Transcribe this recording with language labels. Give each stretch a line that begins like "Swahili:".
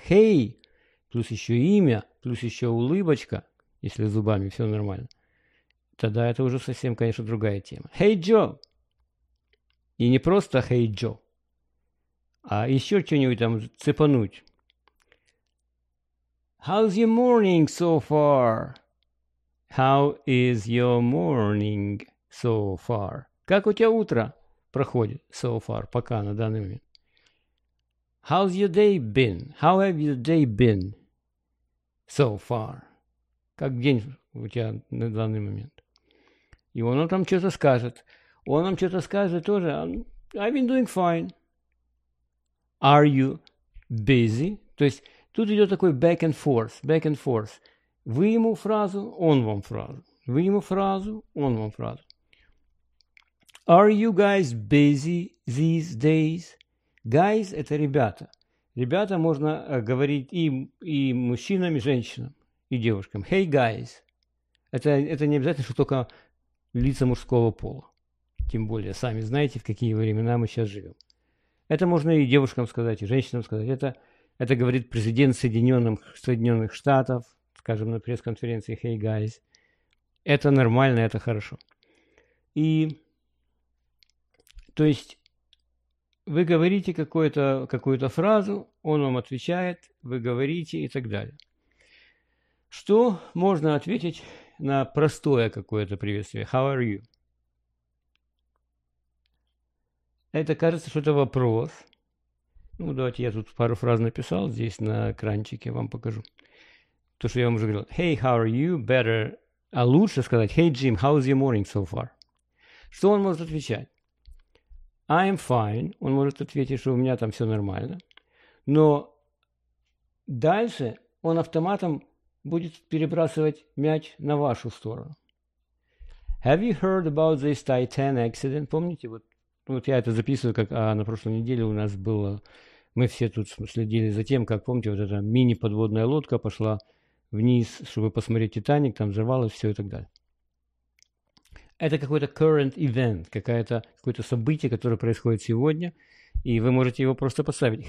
English: «Hey»
Russian: плюс еще имя, плюс еще улыбочка, если с зубами все нормально. Тогда это уже совсем, конечно, другая тема.
English: «Hey, Joe!»
Russian: И не просто
English: «Hey, Joe!»
Russian: А еще что-нибудь там цепануть.
English: How's your morning so far? How is your morning so far?
Russian: Как у тебя утро проходит
English: so far,
Russian: пока, на данный момент?
English: How's your day been? How have your day been so far?
Russian: Как день у тебя на данный момент? И он нам там что-то скажет. Он нам что-то скажет тоже.
English: I've been doing fine. Are you busy?
Russian: То есть тут идет такой
English: back and forth, back and forth.
Russian: Вы ему фразу, он вам фразу. Вы ему фразу, он вам фразу.
English: Are you guys busy these days? Guys
Russian: – это ребята. Ребята можно говорить и мужчинам, и женщинам, и девушкам.
English: Hey, guys.
Russian: Это не обязательно, что только лица мужского пола. Тем более, сами знаете, в какие времена мы сейчас живем. Это можно и девушкам сказать, и женщинам сказать. Это говорит президент Соединенных Штатов, скажем, на пресс-конференции
English: «Hey, guys!».
Russian: Это нормально, это хорошо. И, то есть, вы говорите какую-то фразу, он вам отвечает, вы говорите и так далее. Что можно ответить на простое какое-то приветствие?
English: «How are you?»
Russian: Это кажется, что это вопрос. Ну, давайте я тут пару фраз написал здесь на экранчике, вам покажу. То, что я вам уже говорил.
English: Hey, how are you? Better.
Russian: А лучше сказать,
English: hey, Jim, how's your morning so far?
Russian: Что он может отвечать?
English: I'm fine.
Russian: Он может ответить, что у меня там все нормально. Но дальше он автоматом будет перебрасывать мяч на вашу сторону.
English: Have you heard about this Titan accident?
Russian: Помните, вот я это записываю, как на прошлой неделе у нас было. Мы все тут следили за тем, как, помните, вот эта мини-подводная лодка пошла вниз, чтобы посмотреть «Титаник», там взорвалось все и так далее. Это какой-то
English: current event,
Russian: какое-то событие, которое происходит сегодня, и вы можете его просто поставить.